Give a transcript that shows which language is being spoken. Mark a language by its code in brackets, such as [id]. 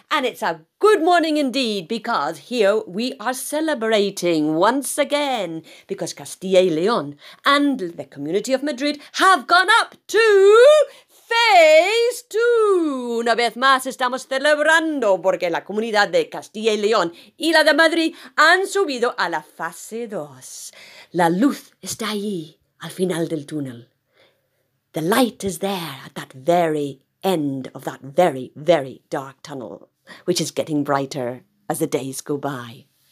[en] And it's a good morning indeed, because here we are celebrating once again, because Castilla y León and the Community of Madrid have gone up to Phase 2. [es] Una vez más estamos celebrando porque la comunidad de Castilla y León y la de Madrid han subido a la fase 2. La luz está allí, al final del túnel. [en] The light is there at that very end of that very, very dark tunnel, which is getting brighter as the days go by.